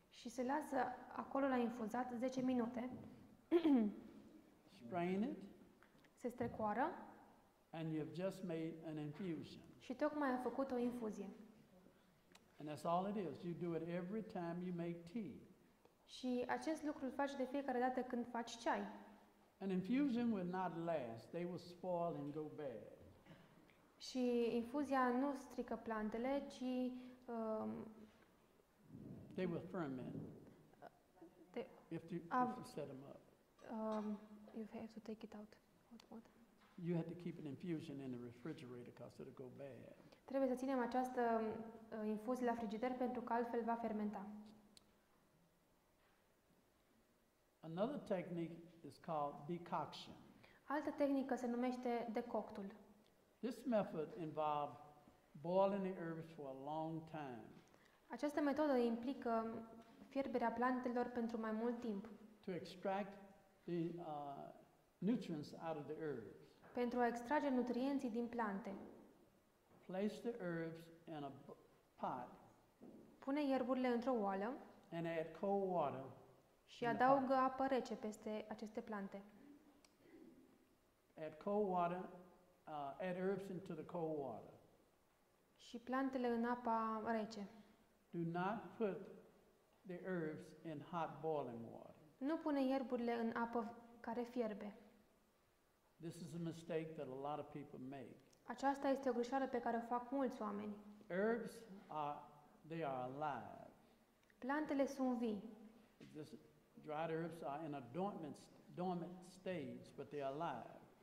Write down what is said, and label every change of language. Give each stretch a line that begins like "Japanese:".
Romanian: Și se lasă acolo la infuzat 10 minute.
English: Strain it.
Romanian: Se strecoară.
English: And you have just made an infusion.
Romanian: Și tocmai a făcut o infuzie.
English: And that's all it is. You do it every time you make tea.
Romanian: Și acest lucru îl faci de fiecare dată când faci ceai.
English: An infusion will not last. They will spoil and go bad.
Romanian: Și infuzia nu strică plantele, ci
English: they will ferment. If you set them up. You have to take it out. What? You have to keep an infusion in the refrigerator because it'll go bad.
Romanian: Trebuie să ținem această infuzie la frigider pentru că altfel va fermenta.
English: Another technique is called decoction.
Romanian: Altă tehnică se numește decoctul.
English: This method involves boiling the herbs for a long time.
Romanian: Această metodă implică fierberea plantelor pentru mai mult timp.
English: To extract the nutrients out of the herbs.
Romanian: Pentru a extrage nutrienții din plante.
English: Place the herbs in a pot.
Romanian: Pune ierburile într-o oală.
English: And add cold water.
Romanian: Și adaugă apă rece peste aceste plante.
English: Add cold water. Add herbs into the cold water.
Romanian: Și plantele în apa rece.
English: Do not put the herbs in hot boiling water.
Romanian: Nu pune ierburile în apă care fierbe.
English: This is a mistake that a lot of people make.
Romanian: Aceasta este o greșeală pe care o fac mulți oameni.
English: Herbs are alive.
Romanian: Plantele sunt vii.
English: This dried herbs are in a dormant stage, but they are alive.